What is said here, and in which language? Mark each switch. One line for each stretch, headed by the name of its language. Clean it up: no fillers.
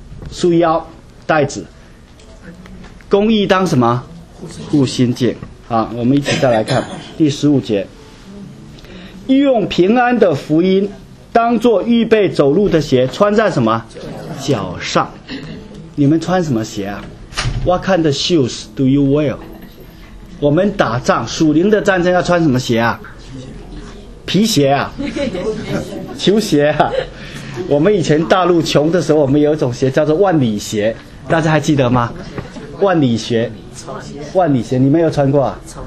Chinese: 束腰带子，公义当什么护心镜啊？我们一起再来看第十五节，欲用平安的福音当作预备走路的鞋，穿在什么脚上。你们穿什么鞋啊？
English: What kind of shoes do you wear？
Chinese: 我们打仗属灵的战争要穿什么鞋啊？皮鞋啊，球鞋啊。我们以前大陆穷的时候，我们有一种鞋叫做万里鞋，大家还记得吗？万里鞋，万里鞋，你没有穿过啊？